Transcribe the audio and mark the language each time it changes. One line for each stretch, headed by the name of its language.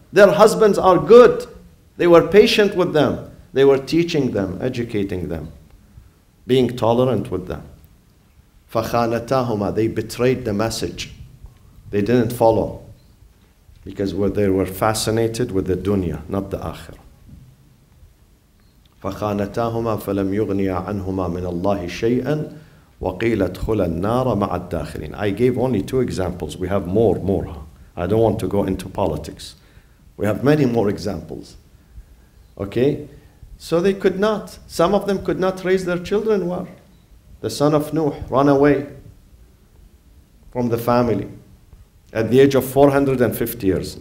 English: Their husbands are good. They were patient with them. They were teaching them, educating them, being tolerant with them.
Arabic: فَخَانَتَاهُمَا.
English: They betrayed the message. They didn't follow. Because they were fascinated with the dunya, not the akhirah.
Arabic: فَخَانَتَاهُمَا فَلَمْ يُغْنِيَ عَنْهُمَا مِنَ اللَّهِ شَيْئًا وَقِيلَ ادْخُلَ النَّارَ مَعَ الدَّاخِلِينَ. I gave only two examples.
English: We have more. I don't want to go into politics. We have many more examples. Okay? So they could not. Some of them could not raise their children. Well, the son of Nuh ran away from the family at the age of 450 years.